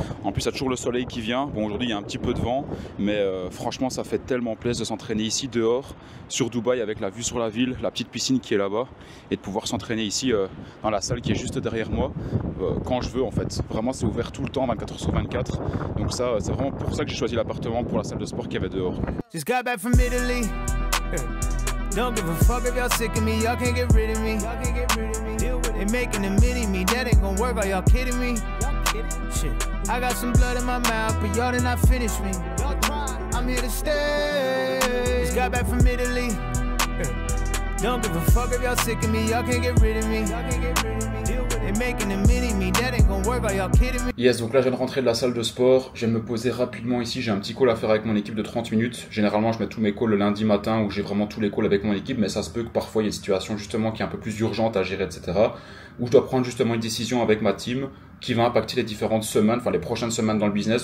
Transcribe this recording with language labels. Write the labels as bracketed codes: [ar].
[fr] En plus, il y a toujours le soleil qui vient. Bon, aujourd'hui, il y a un petit peu de vent, mais franchement, ça fait tellement plaisir de s'entraîner ici dehors sur Dubaï avec la vue sur la ville, la petite piscine qui est là-bas et de pouvoir s'entraîner ici dans la salle qui est juste derrière moi quand je veux. En fait, vraiment, c'est ouvert tout le temps 24 sur 24. Donc, ça, c'est vraiment pour ça que j'ai choisi l'appartement pour la salle de sport qu'il y avait dehors. [en] She's got back from Italy. Don't give a fuck if y'all sick of me, y'all can't get rid of me. Y'all can't get rid of me. Deal with it. They making a mini me, that ain't gonna work, are y'all kidding me? Y'all kidding? Shit. I got some blood in my mouth, but y'all did not finish me. Y'all cry. I'm here to stay. Just got back from Italy. Don't give a fuck if y'all sick of me, y'all can't get rid of me. Y'all can't get rid of me. Deal with it. They making a mini me, that ain't gonna work, are y'all kidding me? [fr] Yes, donc là je viens de rentrer de la salle de sport. Je vais me poser rapidement ici. J'ai un petit call à faire avec mon équipe de 30 minutes. Généralement, je mets tous mes calls le lundi matin où j'ai vraiment tous les calls avec mon équipe. Mais ça se peut que parfois il y ait une situation justement qui est un peu plus urgente à gérer, etc. Où je dois prendre justement une décision avec ma team qui va impacter les différentes semaines, enfin les prochaines semaines dans le business.